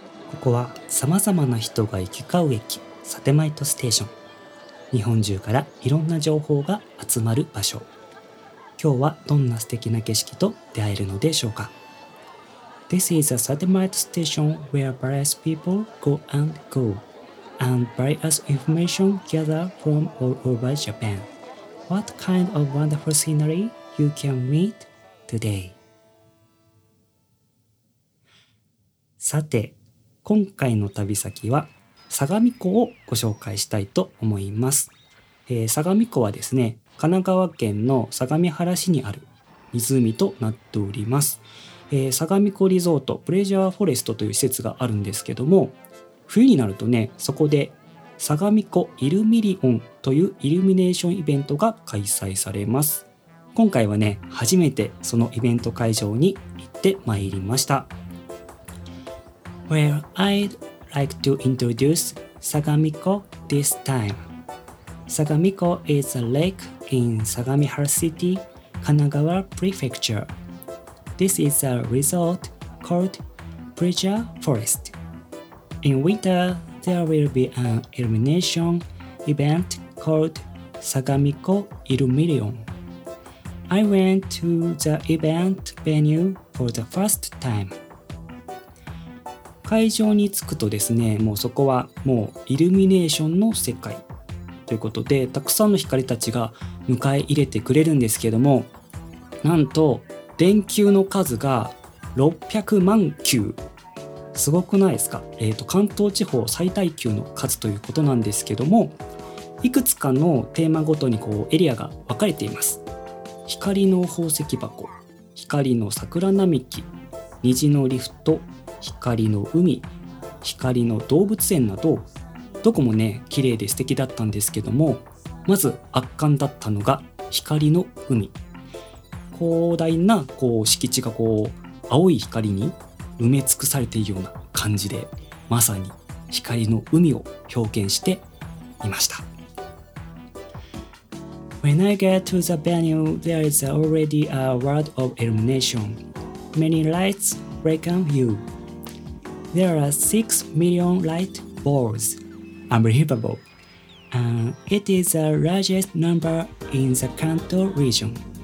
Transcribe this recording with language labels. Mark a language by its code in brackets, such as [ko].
[ja] ここはさまざまな人が行き交う駅、サテマイトステーション。日本中からいろんな情報が集まる場所。今日はどんな素敵な景色と出会えるのでしょうか。 [en] This is a satellite station where various people go and go and various information gather from all over Japan. What kind of wonderful scenery you can meet today? [ja] さて、今回の旅先は相模湖をご紹介したいと思います。相模湖はですね、神奈川県の相模原市にある湖となっております。相模湖リゾートプレジャーフォレストという施設があるんですけども、冬になるとね、そこで相模湖イルミリオンというイルミネーションイベントが開催されます。今回はね、初めてそのイベント会場に行ってまいりました。 [en] Where I'd like to introduce Sagamiko this time. Sagamiko is a lake in Sagamihara City, Kanagawa Prefecture. This is a resort called Preja Forest. In winter, there will be an illumination event called Sagamiko Illumination. I went to the event venue for the first time. [ja] 会場に着くとですね、もうそこはもうイルミネーションの世界ということで、たくさんの光たちが迎え入れてくれるんですけども、なんと電球の数が600万球。すごくないですか？関東地方最大級の数ということなんですけども、いくつかのテーマごとにこうエリアが分かれています。光の宝石箱、光の桜並木、虹のリフト、光の海、光の動物園など、どこもね、綺麗で素敵だったんですけども、まず圧巻だったのが光の海。広大なこう敷地がこう青い光に埋め尽くされているような感じで、まさに光の海を表現していました。 [en] When I get to the venue, there is already a world of illumination. Many lights beckon you. There are 6 million light bulbs. Unbelievable. And it is the largest number in the Kanto region.